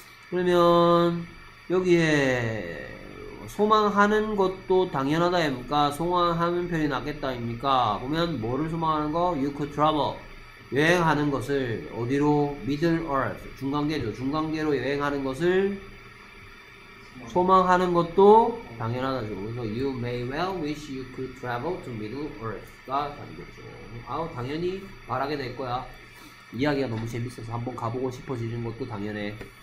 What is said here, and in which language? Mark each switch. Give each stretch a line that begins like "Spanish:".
Korean: 그러면 여기에 소망하는 것도 당연하다입니까? 소망하는 편이 낫겠다입니까? 보면 뭐를 소망하는 거?
English: You could travel,
Korean: 여행하는 것을 어디로? Middle Earth, 중간계죠. 중간계로 여행하는 것을 소망하는 것도 당연하다죠. 그래서
English: you may well wish you could travel to Middle Earth
Korean: 가 되겠죠. 아우 당연히 바라게 될 거야. 이야기가 너무 재밌어서 한번 가보고 싶어지는 것도 당연해.